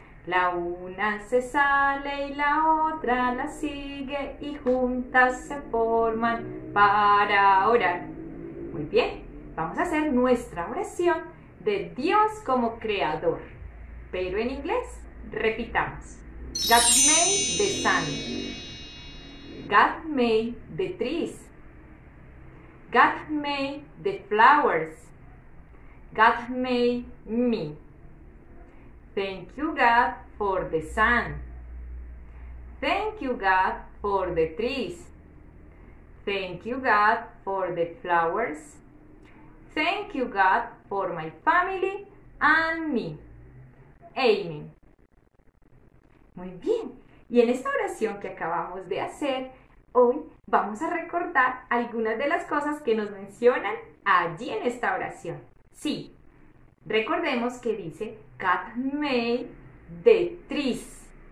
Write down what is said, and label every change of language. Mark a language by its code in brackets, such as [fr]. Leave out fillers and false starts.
[es] La una se sale y la otra la sigue y juntas se forman para orar. Muy bien, vamos a hacer nuestra oración de Dios como creador, pero en inglés. Repitamos: [en] God made the sun, God made the trees, God made the flowers, God made me. Thank you, God, for the sun. Thank you, God, for the trees. Thank you, God, for the flowers. Thank you, God, for my family and me. [es] Amen. Muy bien. Y en esta oración que acabamos de hacer, hoy vamos a recordar algunas de las cosas que nos mencionan allí en esta oración. Sí, recordemos que dice [en] God made the trees.